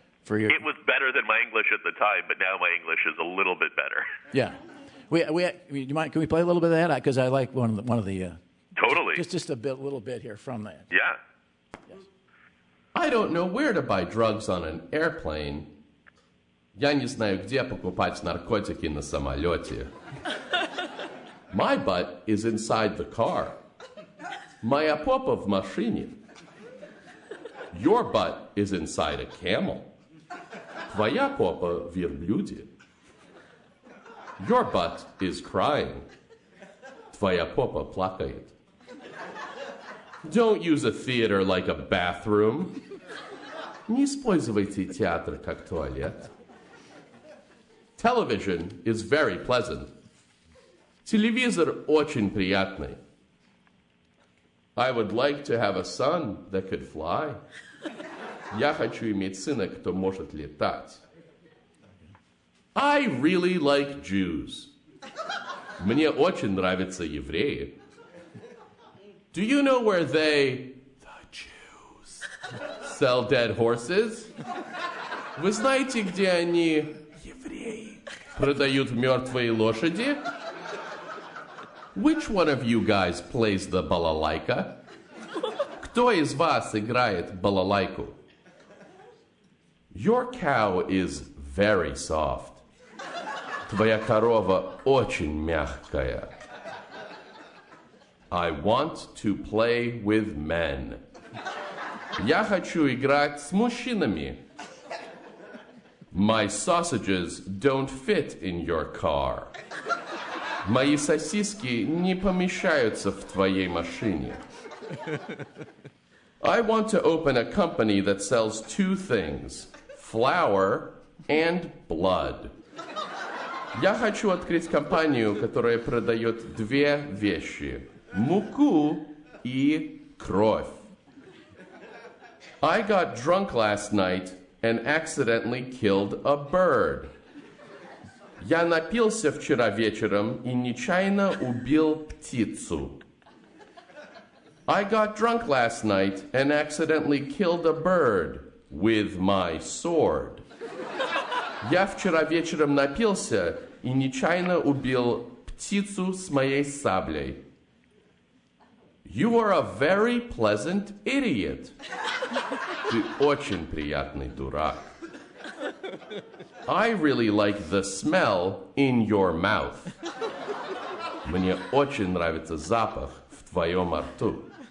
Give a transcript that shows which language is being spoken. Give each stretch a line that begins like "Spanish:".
English: It was better than my English at the time, but now my English is a little bit better. Yeah. Can we play a little bit of that? Because I like one of the... Totally. Just a bit, little bit here from that. Yeah. Yes. I don't know where to buy drugs on an airplane.
Russian: Я не знаю, где покупать наркотики на самолете.
English: My butt is inside the car.
Russian: Моя попа в машине.
English: Your butt is inside a camel.
Russian: Твоя попа в верблюде.
English: Your butt is crying.
Russian: Твоя попа плакает.
English: Don't use a theater like a bathroom.
Russian: Не используйте театр как туалет.
English: Television is very pleasant.
Russian: Телевизор очень приятный.
English: I would like to have a son that could fly.
Russian: Я хочу иметь сына, кто может летать.
English: I really like Jews.
Russian: Мне очень нравятся евреи.
English: Do you know where they, the Jews, sell dead horses?
Russian: Вы знаете, где они, евреи, продают мертвые лошади?
English: Which one of you guys plays the balalaika?
Russian: Кто из вас играет балалайку?
English: Your cow is very soft.
Russian: Твоя корова очень мягкая.
English: I want to play with men.
Russian: Я хочу играть с мужчинами.
English: My sausages don't fit in your car.
Russian: Мои сосиски не помещаются в твоей машине.
English: I want to open a company that sells two things, flour and blood.
Russian: Я хочу открыть компанию, которая продает две вещи, муку и кровь.
English: I got drunk last night and accidentally killed a bird.
Russian: Я напился вчера вечером и нечаянно убил птицу.
English: I got drunk last night and accidentally killed a bird with my sword.
Russian: Я вчера вечером напился и нечаянно убил птицу с моей саблей.
English: You are a very pleasant idiot.
Russian: Ты очень приятный дурак.
English: I really like the smell in your mouth.
Russian: Мне очень нравится запах в твоем рту.